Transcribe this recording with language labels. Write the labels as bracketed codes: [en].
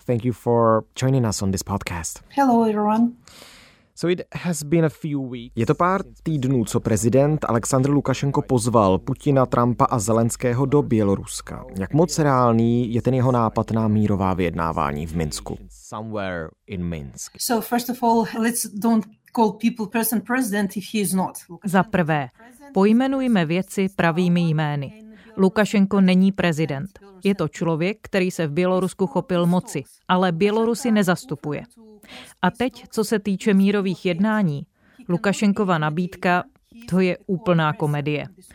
[en] Thank you for joining us on this podcast. Hello, everyone. So it has been a few weeks. [cs] Je to pár týdnů, co prezident Alexandr Lukašenko pozval Putina, Trumpa a Zelenského do Běloruska. Jak moc reálný je ten jeho nápad na mírová vyjednávání v Minsku? [en] Somewhere in Minsk. So first of all, let's don't call people president if he is not. [cs] Za prvé, pojmenujme věci pravými jmény. Lukašenko není prezident. Je to člověk, který se v Bělorusku chopil moci, ale Bělorusy nezastupuje. A teď, co se týče mírových jednání, Lukašenkova nabídka, to je úplná komedie.